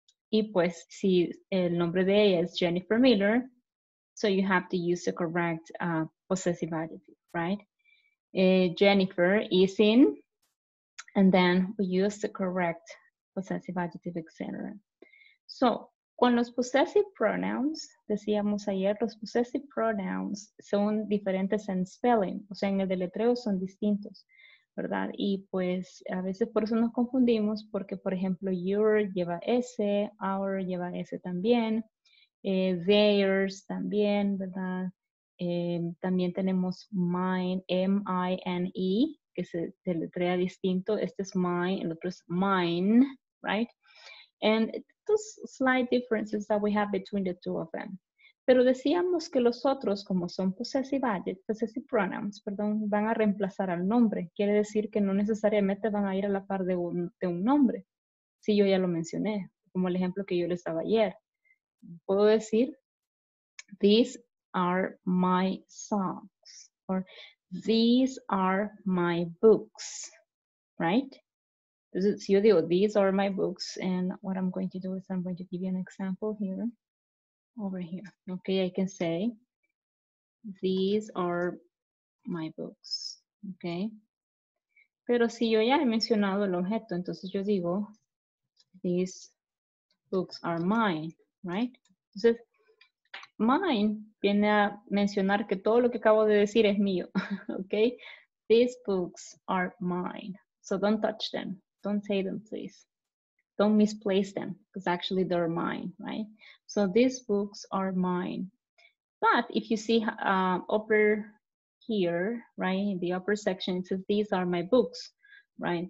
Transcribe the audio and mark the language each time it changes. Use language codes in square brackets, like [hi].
[es] Y pues, si el nombre de ella es [en] Jennifer Miller, so you have to use the correct possessive adjective, right? Jennifer is in, and then we use the correct possessive adjective, etc. [es] So, con los possessive pronouns, decíamos ayer, los possessive pronouns son diferentes en spelling, o sea, en el deletreo son distintos, ¿verdad? Y pues, a veces por eso nos confundimos, porque, por ejemplo, your lleva S, our lleva S también, theirs también, ¿verdad? También tenemos mine, M-I-N-E, que se deletrea distinto. Este es mine, el otro es mine, right? [en] And those slight differences that we have between the two of them. [es] Pero decíamos que los otros, como son possessive adjectives, possessive pronouns, perdón, van a reemplazar al nombre. Quiere decir que no necesariamente van a ir a la par de un nombre. Si yo ya lo mencioné, como el ejemplo que yo les daba ayer. Puedo decir, [en] these are my socks, or these are my books, right? [es] Entonces, yo digo, [en] these are my books, and what I'm going to do is I'm going to give you an example here, over here. Okay, I can say, these are my books, okay? [es] Pero si yo ya he mencionado el objeto, entonces yo digo, [en] these books are mine, [es] right? Entonces, mine viene a mencionar que todo lo que acabo de decir es mío, okay? [en] These books are mine, so don't touch them. Don't say them, please. Don't misplace them, because actually they're mine, right? So these books are mine. But if you see upper here, right, in the upper section, it says these are my books, right?